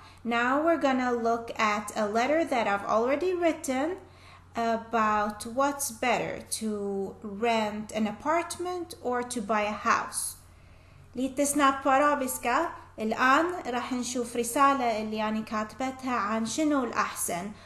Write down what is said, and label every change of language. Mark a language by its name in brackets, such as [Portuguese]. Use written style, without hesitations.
[English] Now we're gonna look at a letter that I've already written about what's better, to rent an apartment or to buy a house. [Swedish] Lite snabbt på arabiska. [Arabic] الآن راح نشوف رسالة اللي أنا كاتبتها عن شنو الأحسن.